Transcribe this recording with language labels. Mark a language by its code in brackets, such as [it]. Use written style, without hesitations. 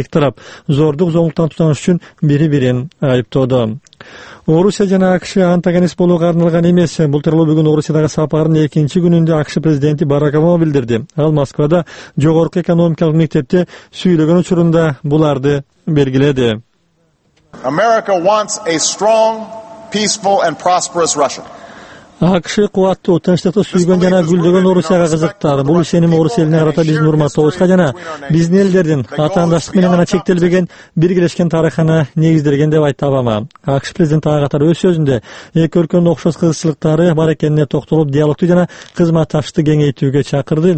[ky] Эки тарап зордук зомбулуктан тутаныш үчүн бири бирин айыптоодо. Орусия жана АКШ антагонист болууга арналган эмес. Бул тууралуу бүгүн Орусиядагы сапарынын экинчи күнүндө АКШ президенти Барак Обама билдирди. Ал Москвада жогорку экономикалык мектепте сүйлөгөн учурунда буларды белгиледи. [en] America wants a strong, peaceful and prosperous Russia. [ky] АКШ кубаттуу тынчтыкты сүйгөн жана гүлдөгөн Орусияга кызыктар. Бул ишеним Орусияны карата биздин урматтообузга жана биздин элдердин атаандаштык менен гана чектелбеген биргелешкен тарыхына негизделген деп айта алам. АКШ президенти ага катар өз сөзүндө эки өлкөнүн окшош кызыкчылыктары бар экенине токтолуп, диалогту жана кызматташты кеңейтүүгө чакырды.